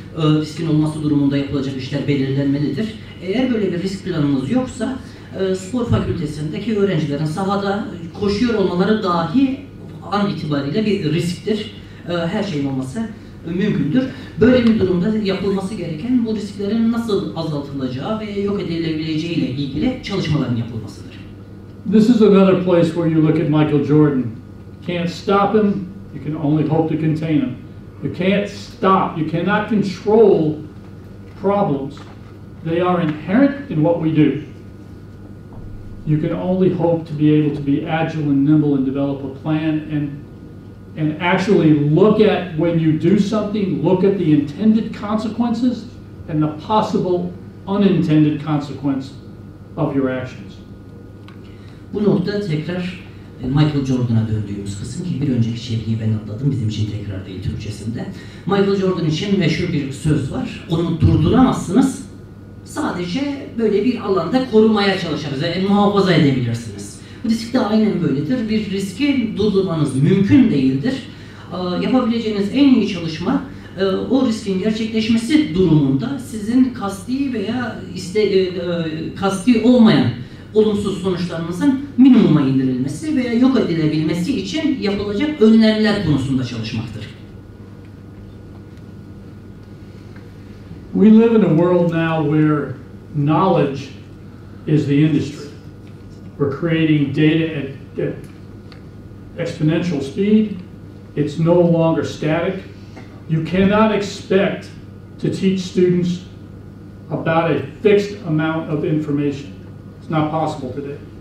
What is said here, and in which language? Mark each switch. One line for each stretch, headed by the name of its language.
Turkish: Riskin olması durumunda yapılacak işler belirlenmelidir. Eğer böyle bir risk planınız yoksa spor fakültesindeki öğrencilerin sahada koşuyor olmaları dahi an itibariyle bir risktir. Her şeyin olması mümkündür. Böyle bir durumda yapılması gereken bu risklerin nasıl azaltılacağı ve yok edilebileceği ile ilgili çalışmaların yapılmasıdır.
English: This is another place where you look at Michael Jordan. Can't stop him, you can only hope to contain him. You can't stop, you cannot control problems. They are inherent in what we do. You can only hope to be able to be agile and nimble and develop a plan and actually look at when you do something, look at the intended consequences and the possible unintended consequence of your actions.
Turkish: Bu nokta tekrar Michael Jordan'a döndüğümüz kısım ki bir önceki çevreyi ben anladım bizim için tekrar değil Türkçesinde. Michael Jordan için meşhur bir söz var. Onu durduramazsınız. Sadece böyle bir alanda korumaya çalışırız. Yani muhafaza edebilirsiniz. Bu risk de aynen böyledir. Bir riski durdurmanız mümkün değildir. Yapabileceğiniz en iyi çalışma o riskin gerçekleşmesi durumunda sizin kasti veya kasti olmayan olumsuz sonuçlarınızın minimuma indirilmesi veya yok edilebilmesi için yapılacak önlemler konusunda çalışmaktır.
English: We live in a world now where knowledge is the industry. We're creating data at exponential speed. It's no longer static. You cannot expect to teach students about a fixed amount of information. It's not possible today.